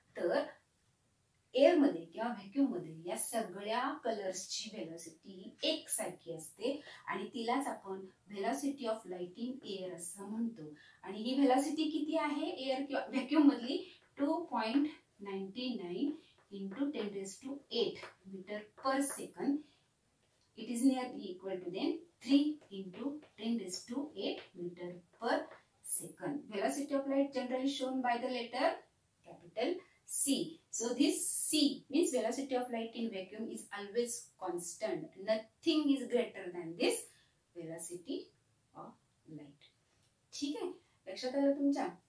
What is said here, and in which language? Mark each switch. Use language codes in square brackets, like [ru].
[mr] तर एअर मध्ये किंवा व्हॅक्युम मध्ये या सगळ्या कलर्सची व्हेलॉसिटी एक सारखी असते आणि तिलाच आपण [en] velocity of light in air [mr] असं म्हणतो. आणि ही व्हेलॉसिटी किती आहे एअर किंवा व्हॅक्युम मधली, 2.99 × 10⁸ metre per second. [en] It is near equal to then 3 × 10⁸ metre per second. Velocity of light generally shown by the letter capital C. So this C means velocity of light in vacuum is always constant, nothing is greater than this velocity of light. [mr] ठीक आहे, लक्षात आलं तुमच्या.